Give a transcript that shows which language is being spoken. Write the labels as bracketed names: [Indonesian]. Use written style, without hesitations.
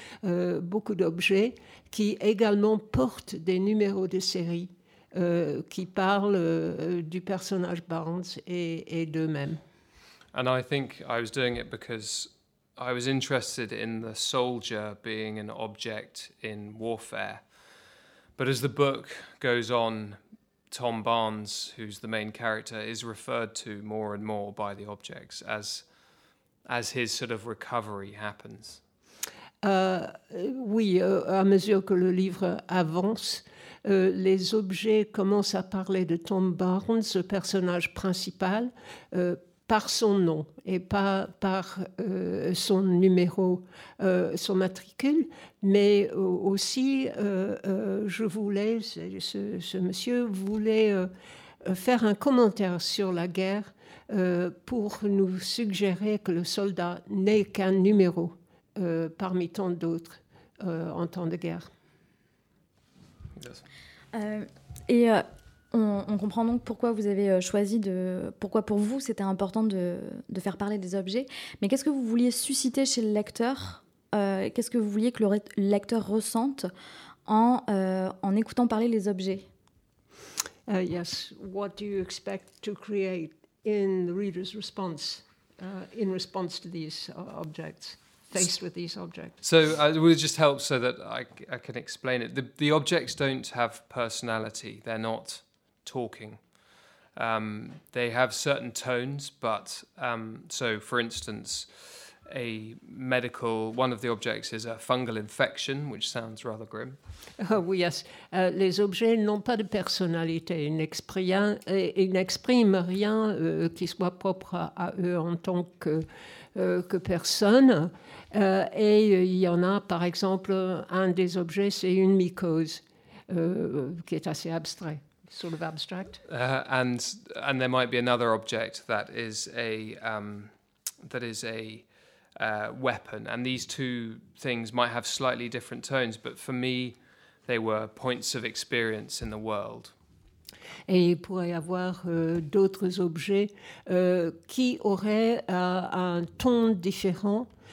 [French] Beaucoup d'objets qui également portent des numéros de série qui parlent du personnage Barnes et d'eux-mêmes. [English] And I think I was doing it because I was interested in the soldier being an object in warfare. But as the book goes on, Tom Barnes, who's the main character, is referred to more and more by the objects as his sort of recovery happens. [French] À mesure que le livre avance, les objets commencent à parler de Tom Barnes, ce personnage principal, par son nom et pas par son numéro, son matricule, mais aussi je voulais, ce monsieur voulait faire un commentaire sur la guerre pour nous suggérer que le soldat n'est qu'un numéro parmi tant d'autres en temps de guerre. [English] Yes. [French] On comprend donc pourquoi vous avez choisi pourquoi pour vous c'était important de faire parler des objets. Mais qu'est-ce que vous vouliez susciter chez le lecteur qu'est-ce que vous vouliez que le lecteur ressente en écoutant parler les objets [English] Yes, what do you expect to create in the reader's response in response to these objects? Faced with these objects. So it would just help so that I can explain it. The objects don't have personality. They're not talking. They have certain tones, but so for instance, one of the objects is a fungal infection, which sounds rather grim. Oh, yes, [French] les objets n'ont pas de personnalité, ils n'expriment rien qui soit propre à eux en tant que personne. Et il y en a, par exemple, un des objets, c'est une mycose, qui est assez abstrait. [English] Sort of abstract. And there might be another object that is weapon. And these two things might have slightly different tones, but for me, they were points of experience in the world. [French] Et il pourrait y avoir d'autres objets qui auraient un ton différent.